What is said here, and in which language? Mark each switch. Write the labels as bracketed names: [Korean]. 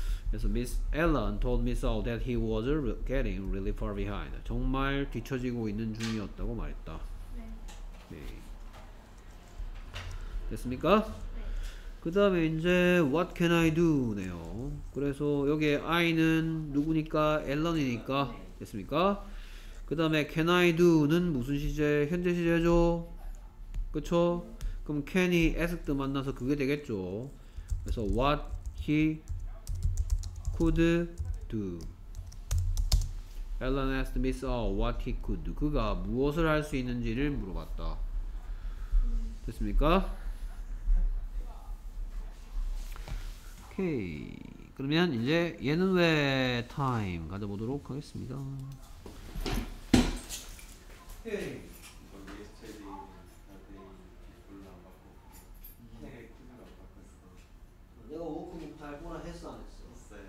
[Korean] 그래서 [English] Miss Allen told Miss Al that he was getting really far behind. [Korean] 정말 뒤처지고 있는 중이었다고 말했다. 네. 네. 됐습니까? 그 다음에 이제 [English] What can I do? [Korean] 네요. 그래서 여기에 I는 누구니까? 앨런이니까. 됐습니까? 그 다음에 Can I do?는 무슨 시제? 현재 시제죠? 그쵸? 그럼 Can이 Ask도 만나서 그게 되겠죠? 그래서 [English] What he could do. 앨런 asked Miss Oh What he could do. [Korean] 그가 무엇을 할 수 있는지를 물어봤다. 됐습니까? 오케이. 그러면 이제 얘는 왜 타임 가져보도록 하겠습니다. 내가 워크 못 할 뻔한 했어 안 했어?